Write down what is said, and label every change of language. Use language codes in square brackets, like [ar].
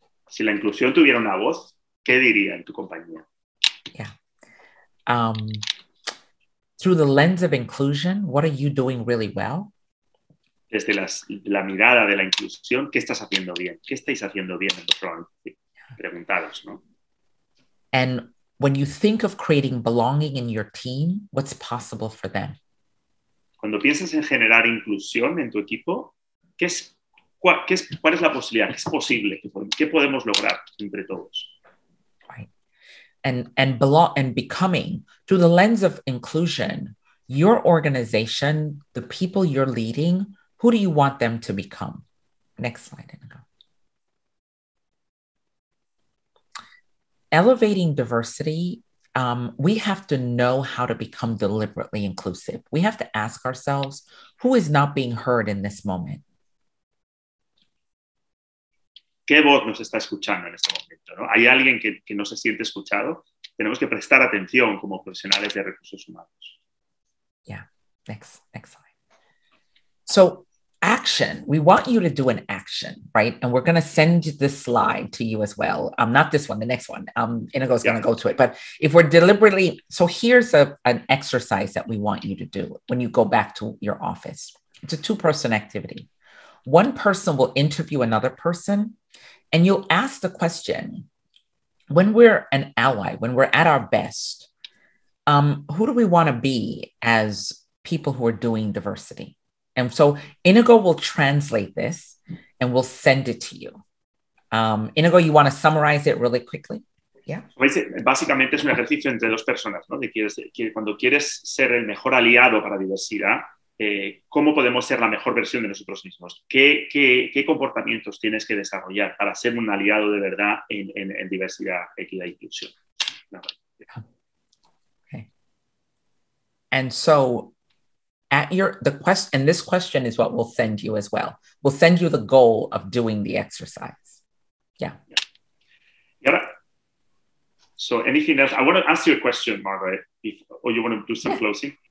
[es] Si la inclusión tuviera una voz, ¿qué diría en tu compañía? [en] Yeah. Through the lens of inclusion, what are you doing really well? [es] Desde la mirada de la inclusión, ¿qué estás haciendo bien? ¿Qué estáis haciendo bien en vuestro ambiente? Preguntaros, ¿no? [en] And when you think of creating belonging in your team, what's possible for them? [es] Cuando piensas en generar inclusión en tu equipo, ¿cuál es la posibilidad? ¿Qué es posible? ¿Qué podemos lograr entre todos? [en] Right. And becoming, through the lens of inclusion, your organization, the people you're leading, who do you want them to become? Next slide, Inigo. elevating diversity, we have to know how to become deliberately inclusive. We have to ask ourselves, who is not being heard in this moment? [es] ¿Qué voz nos está escuchando en este momento, ¿no? ¿Hay alguien que no se siente escuchado? Tenemos que prestar atención como profesionales de recursos humanos. [en] Yeah, next slide. So, action. We want you to do an action, right? And we're going to send this slide to you as well. Not this one, the next one. Inigo's going to go to it. But if we're deliberately, so here's an exercise that we want you to do when you go back to your office. It's a two-person activity. One person will interview another person, and you'll ask the question, when we're an ally, when we're at our best, who do we want to be as people who are doing diversity? And so Inigo will translate this and we'll send it to you. Inigo, you want to summarize it really quickly? Yeah. [es] Básicamente es un ejercicio entre dos personas, ¿no? Cuando quieres ser el mejor aliado para diversidad, ¿cómo podemos ser la mejor versión de nosotros mismos? ¿Qué comportamientos tienes que desarrollar para ser un aliado de verdad en diversidad, equidad e inclusión? No. [en] Okay. And so this question is what we'll send you as well. We'll send you the goal of doing the exercise. Yeah. So anything else? I want to ask you a question, Margaret, or you want to do some closing?